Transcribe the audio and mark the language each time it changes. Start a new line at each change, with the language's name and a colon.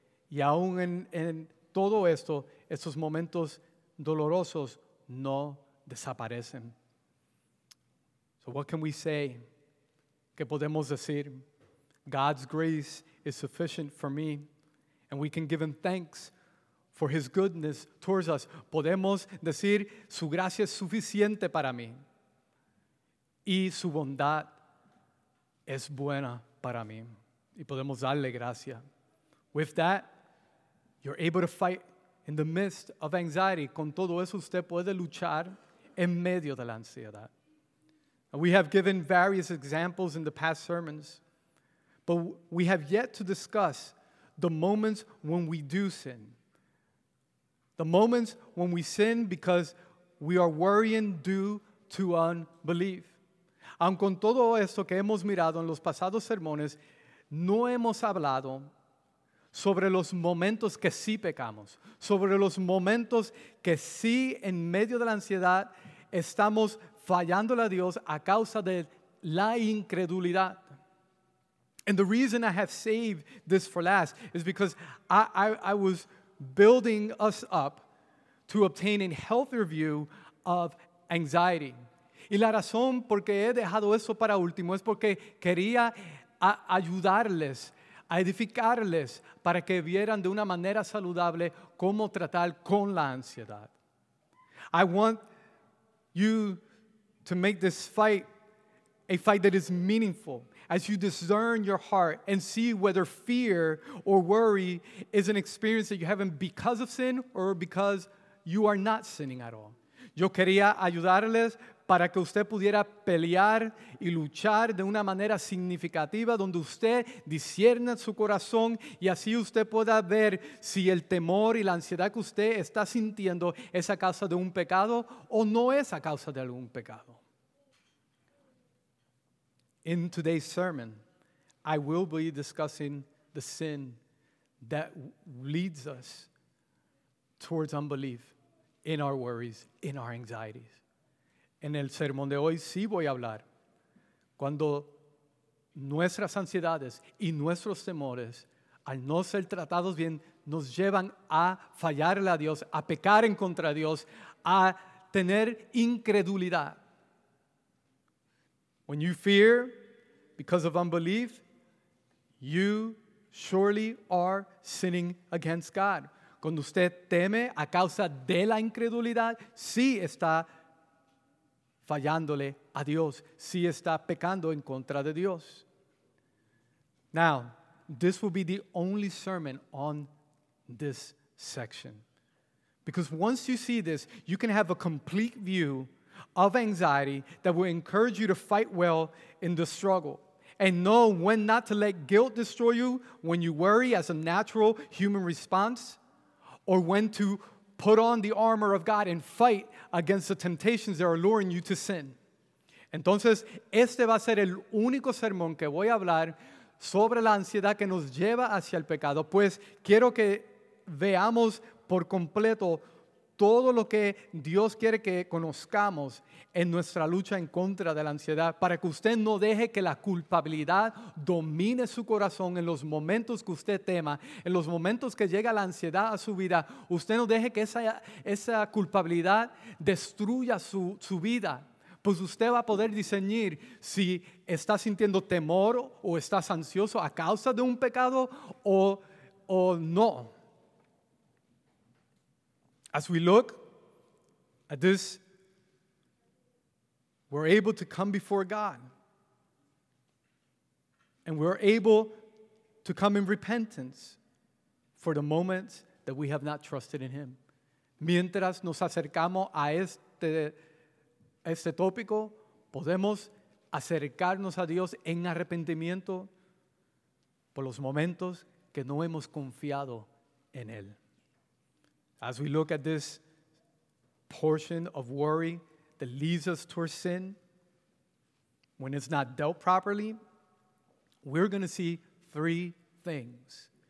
Spanish: Y aún en todo esto, estos momentos dolorosos no desaparecen.
English: So what can we say?
Spanish: ¿Qué podemos decir?
English: God's grace is sufficient for me, and we can give Him thanks for His goodness towards us.
Spanish: Podemos decir, su gracia es suficiente para mí, y su bondad es buena para mí. Y podemos darle gracia.
English: With that, you're able to fight in the midst of anxiety.
Spanish: Con todo eso, usted puede luchar en medio de la ansiedad.
English: And we have given various examples in the past sermons, but we have yet to discuss the moments when we do sin. The moments when we sin because we are worrying due to unbelief.
Spanish: Aun con todo esto que hemos mirado en los pasados sermones, no hemos hablado sobre los momentos que sí pecamos, sobre los momentos que sí, en medio de la ansiedad, estamos fallándole a Dios a causa de la incredulidad.
English: And the reason I have saved this for last is because I was building us up to obtain a healthier view of anxiety.
Spanish: Y la razón porque he dejado eso para último es porque quería ayudarles a edificarles para que vieran de una manera saludable cómo tratar con la ansiedad.
English: I want you to make this fight a fight that is meaningful as you discern your heart and see whether fear or worry is an experience that you're having because of sin or because you are not sinning at all.
Spanish: Yo quería ayudarles para que usted pudiera pelear y luchar de una manera significativa donde usted discierna su corazón y así usted pueda ver si el temor y la ansiedad que usted está sintiendo es a causa de un pecado o no es a causa de algún pecado.
English: In today's sermon, I will be discussing the sin that leads us towards unbelief in our worries, in our anxieties.
Spanish: En el sermón de hoy sí voy a hablar cuando nuestras ansiedades y nuestros temores, al no ser tratados bien, nos llevan a fallarle a Dios, a pecar en contra de Dios, a tener incredulidad.
English: When you fear because of unbelief, you surely are sinning against God.
Spanish: Cuando usted teme a causa de la incredulidad, sí está fallándole a Dios, si está pecando en contra de Dios.
English: Now, this will be the only sermon on this section. Because once you see this, you can have a complete view of anxiety that will encourage you to fight well in the struggle. And know when not to let guilt destroy you, when you worry as a natural human response, or when to put on the armor of God and fight against the temptations that are luring you to sin.
Spanish: Entonces, este va a ser el único sermón que voy a hablar sobre la ansiedad que nos lleva hacia el pecado, pues quiero que veamos por completo todo lo que Dios quiere que conozcamos en nuestra lucha en contra de la ansiedad, para que usted no deje que la culpabilidad domine su corazón en los momentos que usted tema, en los momentos que llega la ansiedad a su vida. Usted no deje que esa culpabilidad destruya su vida, pues usted va a poder discernir si está sintiendo temor o está ansioso a causa de un pecado o no.
English: As we look at this, we're able to come before God. And we're able to come in repentance for the moments that we have not trusted in Him.
Spanish: Mientras nos acercamos a este tópico, podemos acercarnos a Dios en arrepentimiento por los momentos que no hemos confiado en Él.
English: As we look at this portion of worry that leads us towards sin, when it's not dealt properly, we're going to see three things.